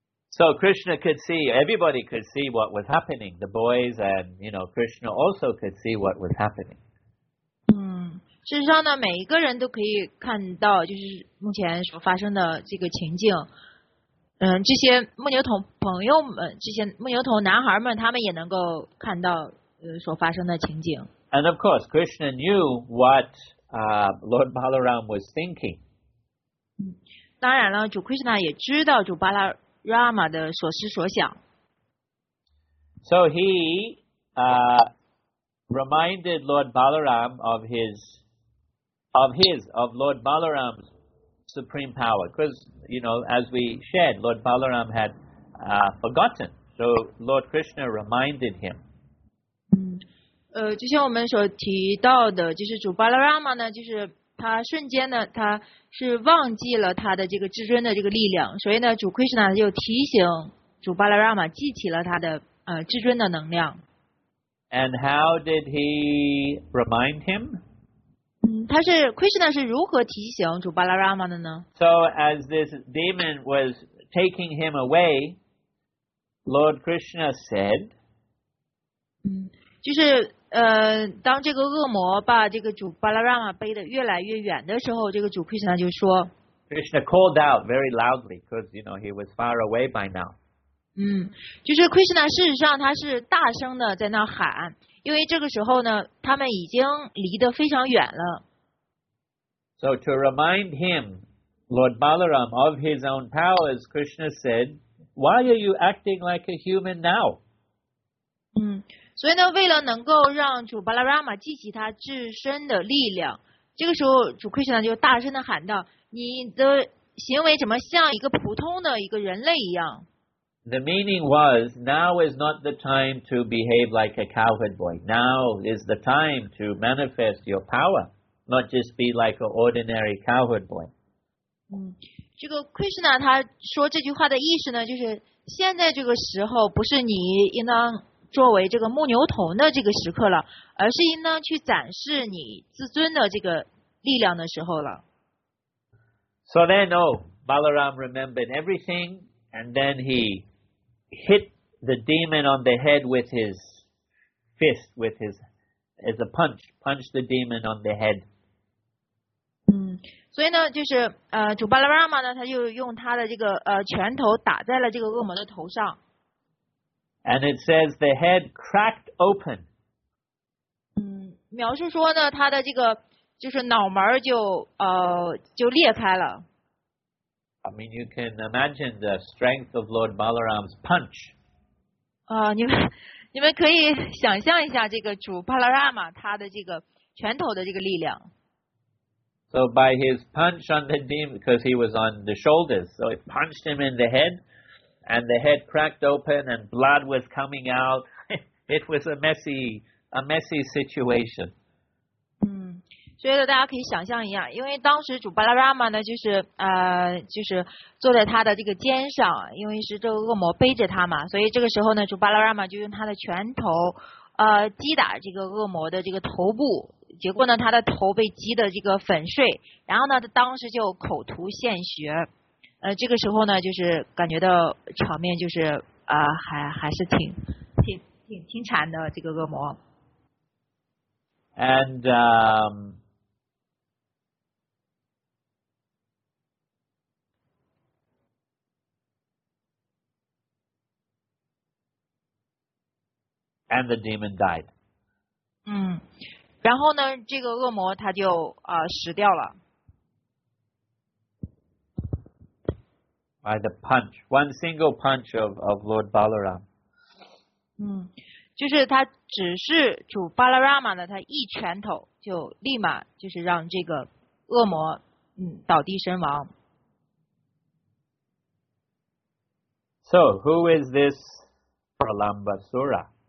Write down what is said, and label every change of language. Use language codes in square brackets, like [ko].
[en] So Krishna could see, everybody could see what was happening. The boys and you know Krishna also could see what was happening. [zh] 事实上呢，每一个人都可以看到，就是目前所发生的这个情境。这些牧牛童朋友们，这些牧牛童男孩们，他们也能够看到所发生的情景。 [en] And of course, Krishna knew what Lord Balaram was thinking. [zh] 当然了，主 Krishna 也知道主巴拉拉玛的所思所想。 [en] So he reminded Lord Balaram of Lord Balaram's supreme power. Because, you know, as we shared, Lord Balaram had forgotten. So Lord Krishna reminded him. [zh] 就像我们所提到的，就是主巴拉拉玛呢，就是他瞬间呢，他是忘记了他的这个至尊的这个力量。所以呢，主 Krishna 就提醒主巴拉拉玛记起了他的至尊的能量。 [en] And how did he remind him? [zh] Krishna 是如何提醒主巴拉拉玛的呢？ [en] So as this demon was taking him away, Lord Krishna said, [zh] 就是当这个恶魔把这个主巴拉拉玛背得越来越远的时候，这个主 Krishna 就说， [en] Krishna called out very loudly because you know he was far away by now. [zh] 就是 Krishna 事实上他是大声的在那喊，因为这个时候呢，他们已经离得非常远了。 [en] So to remind him, Lord Balaram, of his own powers, Krishna said, why are you acting like a human now? [zh] 所以呢，为了能够让主巴拉拉玛记起他自身的力量，这个时候主克什纳就大声地喊道，你的行为怎么像一个普通的一个人类一样。 [en] The meaning was, now is not the time to behave like a cowherd boy. Now is the time to manifest your power, not just be like an ordinary cowherd boy. [zh] 这个 Krishna 他说这句话的意思呢，就是现在这个时候不是你应当作为这个牧牛童的这个时刻了，而是应当去展示你自尊的这个力量的时候了。 [en] So then, oh, Balaram remembered everything. And then he hit the demon on the head with his fist, with his, as a punch, punched the demon on the head. [zh] 所以呢，就是主巴拉拉玛呢，他就用他的这个拳头打在了这个恶魔的头上。 [en] And it says the head cracked open. [zh] 描述说呢，他的这个就是脑门就裂开了。 [en] I mean, you can imagine the strength of Lord Balaram's punch. [zh] 你们可以想象一下这个主巴拉拉玛他的这个拳头的这个力量。 [en] So by his punch on the demon, because he was on the shoulders, so it punched him in the head, and the head cracked open, and blood was coming out. It was a messy situation. [zh] 所以大家可以想象一下，因为当时主巴拉拉玛呢，就是坐在他的这个肩上，因为是这个恶魔背着他嘛，所以这个时候呢，主巴拉拉玛就用他的拳头，击打这个恶魔的这个头部，结果呢，他的头被击的这个粉碎，然后呢，他当时就口吐鲜血，这个时候呢，就是感觉到场面就是还是挺惨的这个恶魔。 [en] And and the demon died. [zh] 然后呢，这个恶魔他就死掉了。 [en] By the punch, one single punch of Lord Balaram. [zh] 就是他只是主巴拉拉玛的他一拳头就立马就是让这个恶魔倒地身亡。 [en] So who is this Palambasura?